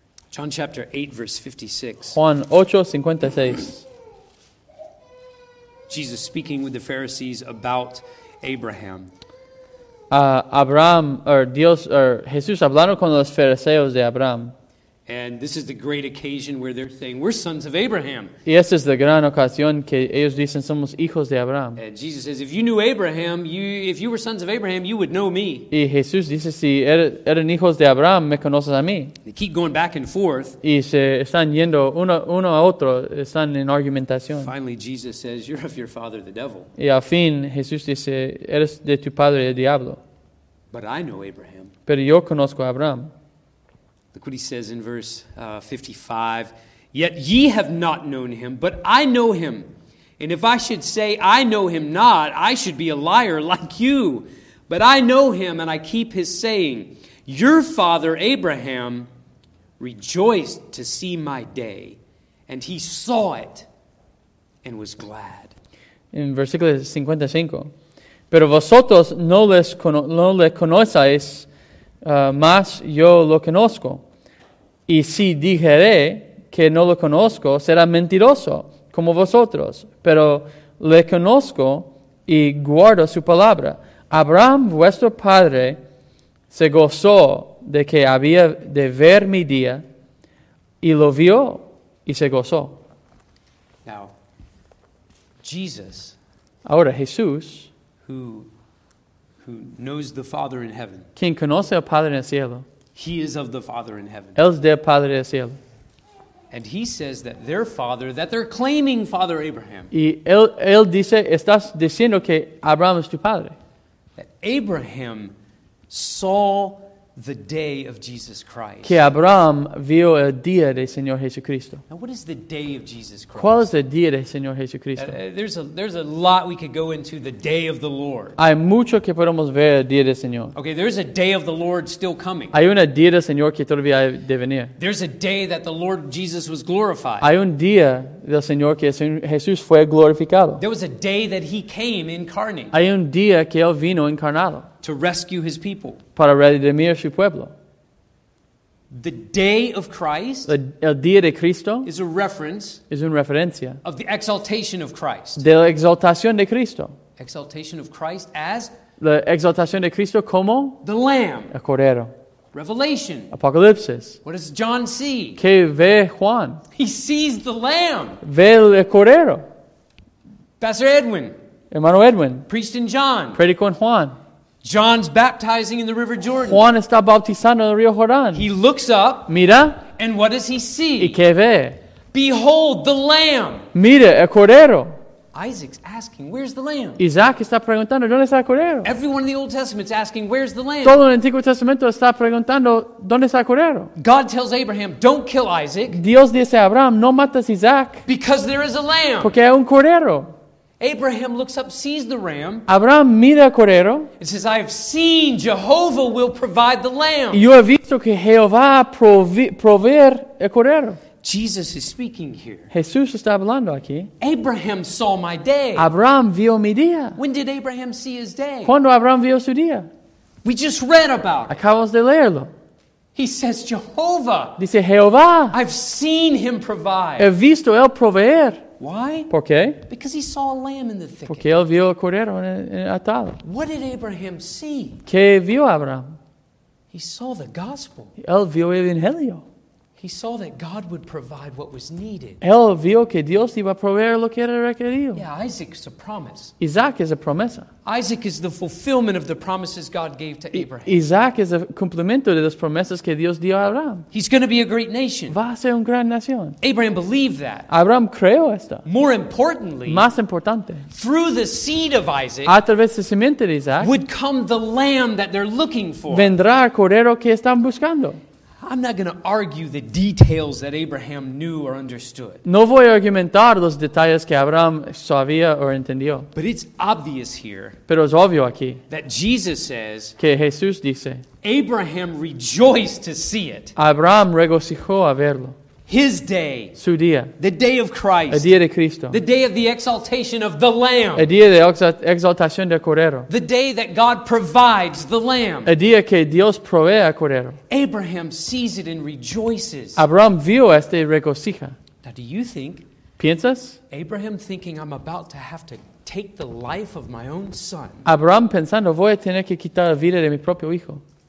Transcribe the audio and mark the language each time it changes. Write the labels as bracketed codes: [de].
[en] John chapter 8 verse 56. [es] Juan 8:56. [en] Jesus speaking with the Pharisees about Abraham. [es] Abraham, or Dios, or Jesús hablando con los fariseos de Abraham. [en] And this is the great occasion where they're saying, we're sons of Abraham. [es] Y esta es la gran ocasión que ellos dicen, somos hijos de Abraham. [en] And Jesus says, if you knew Abraham, if you were sons of Abraham, you would know me. [es] Y Jesús dice, si eran hijos de Abraham, me conoces a mí. [en] They keep going back and forth. [es] Y se están yendo uno a otro, están en argumentación. [en] Finally, Jesus says, you're of your father, the devil. [es] Y al fin, Jesús dice, eres de tu padre, el diablo. [en] But I know Abraham. [es] Pero yo conozco a Abraham. [en] Look what he says in verse 55. Yet ye have not known him, but I know him. And if I should say, I know him not, I should be a liar like you. But I know him, and I keep his saying. Your father Abraham rejoiced to see my day, and he saw it and was glad. [es] In versículo 55. Pero vosotros no le conocéis, mas yo lo conozco. Y si dijere que no lo conozco, será mentiroso, como vosotros. Pero le conozco y guardo su palabra. Abraham, vuestro padre, se gozó de que había de ver mi día, y lo vio, y se gozó. [en] Now, Jesus, [es] ahora Jesús, [en] who knows the Father in heaven, [es] quien conoce al Padre en el cielo, [en] he is of the Father in heaven. [es] Él es del Padre del cielo. [en] And he says that their father, that they're claiming father Abraham. [es] Y él dice, estás diciendo que Abraham es tu padre. [en] That Abraham saw the day of Jesus Christ. [es] Que Abraham vio el día de Señor Jesucristo. [en] Now, what is the day of Jesus Christ? [es] ¿Cuál es el día de Señor Jesucristo? [en] There's a lot we could go into the day of the Lord. [es] Hay mucho que podemos ver el día del Señor. [en] Okay, there's a day of the Lord still coming. [es] Hay un día del Señor que todavía hay de venir. [en] There's a day that the Lord Jesus was glorified. [es] Hay un día del Señor que Jesús fue glorificado. [en] There was a day that he came incarnate. [es] Hay un día que él vino encarnado. [en] To rescue his people. [es] Para redimir su pueblo. [en] The day of Christ. [es] El día de Cristo. [en] Is a reference. [es] Es una referencia. [en] Of the exaltation of Christ. [es] De la exaltación de Cristo. [en] Exaltation of Christ as. [es] La exaltación de Cristo como. [en] The Lamb. [es] El Cordero. [en] Revelation. [es] Apocalipsis. [en] What does John see? [es] Que ve Juan. [en] He sees the Lamb. [es] Ve el Cordero. [en] Pastor Edwin. [es] Hermano Edwin. [en] Priest in John. [es] Predico en Juan. [en] John's baptizing in the River Jordan. [es] Juan está bautizando en el río Jordán. [en] He looks up. [es] Mira. [en] And what does he see? [es] ¿Y qué ve? [en] Behold the Lamb. [es] Mira, el Cordero. [en] Isaac's asking, where's the Lamb? [es] Isaac está preguntando, ¿dónde está el Cordero? [en] Everyone in the Old Testament is asking, where's the Lamb? [es] Todo el Antiguo Testamento está preguntando, ¿dónde está el Cordero? [en] God tells Abraham, don't kill Isaac. [es] Dios dice a Abraham, no matas Isaac. [en] Because there is a Lamb. [es] Porque hay un Cordero. [en] Abraham looks up, sees the ram. [es] Abraham mira el cordero. [en] It says, I have seen Jehovah will provide the lamb. [es] Yo he visto que Jehová proveer el cordero. [en] Jesus is speaking here. [es] Jesús está hablando aquí. [en] Abraham saw my day. [es] Abraham vio mi día. [en] When did Abraham see his day? [es] ¿Cuándo Abraham vio su día? [en] We just read about it. [es] Acabamos de leerlo. [en] He says, Jehovah. [es] Dice Jehová. [en] I've seen him provide. [es] He visto él proveer. [en] Why? [es] ¿Por qué? [en] Because he saw a lamb in the thicket. [es] Porque él vio el cordero en atado. [en] What did Abraham see? [es] ¿Qué vio Abraham? [en] He saw the gospel. [es] Él vio el evangelio. [en] He saw that God would provide what was needed. [es] Él vio que Dios iba a proveer lo que era requerido. [en] Yeah, Isaac is a promise. [es] Isaac es a promesa. [en] Isaac is the fulfillment of the promises God gave to Abraham. [es] Isaac es el cumplimiento de las promesas que Dios dio a Abraham. [en] He's going to be a great nation. [es] Va a ser una gran nación. [en] Abraham believed that. [es] Abraham creyó esto. [en] More importantly, [es] más importante, [en] through the seed of Isaac, [es] a través de la simiente de Isaac, [en] would come the lamb that they're looking for. [es] Vendrá el cordero que están buscando. [en] I'm not going to argue the details that Abraham knew or understood. [es] No voy a argumentar los detalles que Abraham sabía o entendió. [en] But it's obvious here. [es] Pero es obvio aquí. [en] That Jesus says. [es] Que Jesús dice. [en] Abraham rejoiced to see it. [es] Abraham regocijó a verlo. [en] His day. [es] Su día. [en] The day of Christ. [es] El día de Cristo. [en] The day of the exaltation of the Lamb. [es] El día de exaltación del Cordero. [en] The day that God provides the Lamb. [es] El día que Dios provee al Cordero. [en] Abraham sees it and rejoices. [es] Abraham vio este y regocija. [en] Now do you think? [es] ¿Piensas? [en] Abraham thinking I'm about to have to take the life of my own son. [es] Abraham pensando voy a tener que quitar la vida de mi propio hijo.